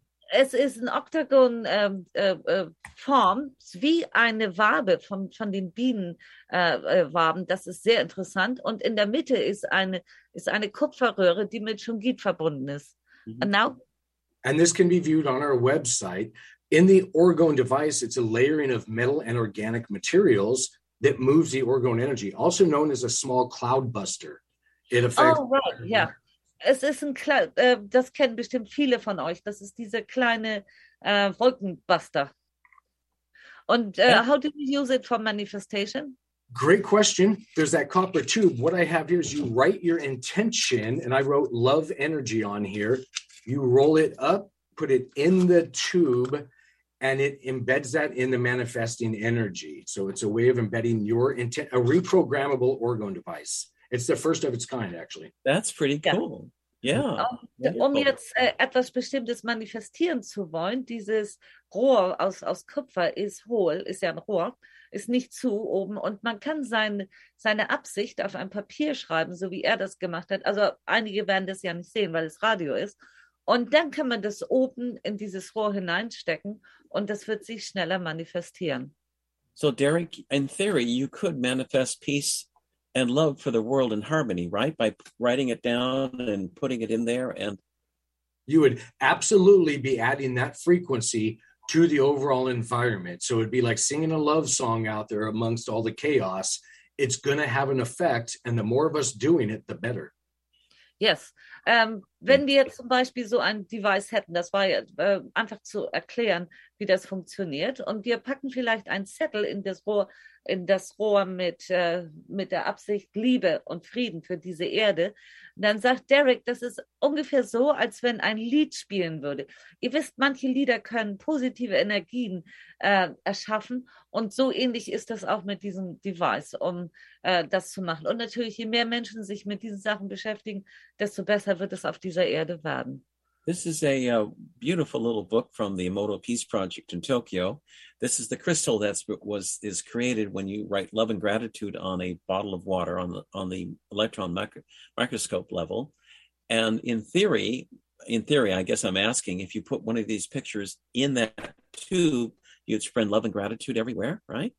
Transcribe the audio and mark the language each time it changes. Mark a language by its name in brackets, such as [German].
[German] es ist ein Oktagon Form, wie eine Wabe von den Bienen Waben. Das ist sehr interessant. Und in der Mitte ist eine Kupferröhre, die mit Shungite verbunden ist. Mm-hmm. [English] And this can be viewed on our website. In the orgone device, it's a layering of metal and organic materials that moves the orgone energy, also known as a small cloud buster. It affects. Oh, right, yeah. Yeah. [German] Es ist ein das kennen bestimmt viele von euch. Das ist dieser kleine Wolkenbuster. Und [English] how do you use it for manifestation? Great question. There's that copper tube. What I have here is you write your intention, and I wrote love energy on here. You roll it up, put it in the tube, and it embeds that in the manifesting energy. So it's a way of embedding your intent, a reprogrammable orgone device. It's the first of its kind, actually. That's pretty cool. Yeah. [German] Um jetzt etwas Bestimmtes manifestieren zu wollen, dieses Rohr aus Kupfer ist hohl, ist ja ein Rohr, ist nicht zu oben. Und man kann seine Absicht auf ein Papier schreiben, so wie er das gemacht hat. Also einige werden das ja nicht sehen, weil es Radio ist. Und dann kann man das oben in dieses Rohr hineinstecken und das wird sich schneller manifestieren. [English] So Derek, in theory, you could manifest peace and love for the world in harmony, right? By writing it down and putting it in there and... You would absolutely be adding that frequency to the overall environment. So it'd be like singing a love song out there amongst all the chaos. it's going to have an effect. And the more of us doing it, the better. Yes. [German] Wenn wir jetzt zum Beispiel so ein Device hätten, das war einfach zu erklären, wie das funktioniert. Und wir packen vielleicht einen Zettel in das Rohr mit der Absicht Liebe und Frieden für diese Erde. Dann sagt Derek, das ist ungefähr so, als wenn ein Lied spielen würde. Ihr wisst, manche Lieder können positive Energien erschaffen. Und so ähnlich ist das auch mit diesem Device, um das zu machen. Und natürlich, je mehr Menschen sich mit diesen Sachen beschäftigen, desto besser wird es auf dieser Erde werden. [English] This is a beautiful little book from the Emoto Peace Project in Tokyo. This is the crystal that is created when you write love and gratitude on a bottle of water on the electron microscope level. And in theory, I guess I'm asking, if you put one of these pictures in that tube, you'd spread love and gratitude everywhere, right?